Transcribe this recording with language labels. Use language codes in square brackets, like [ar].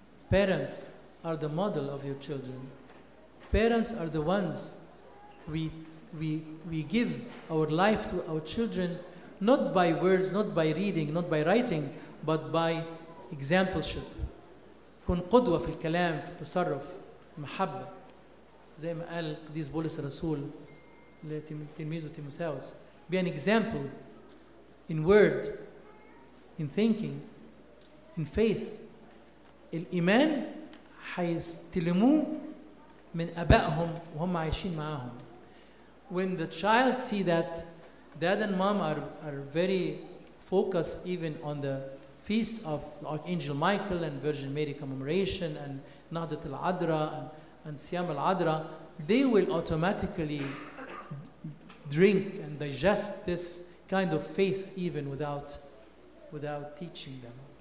[en] Parents are the model of your children. Parents are the ones we give our life to our children, not by words, not by reading, not by writing, but by exampleship. [ar] كن قدوة في الكلام في التصرف محبة زي ما قال قديس بولس الرسول لتلميذه تيموثاوس. [en] Be an example in word, in thinking, in faith. [ar] الإيمان حيستلموه من أبائهم وهم عايشين معاهم. [en] When the child see that dad and mom are very focused even on the feast of Archangel Michael and Virgin Mary commemoration and Nahda al-Adra and Siyam al-Adra, they will automatically drink and digest this kind of faith even without teaching them.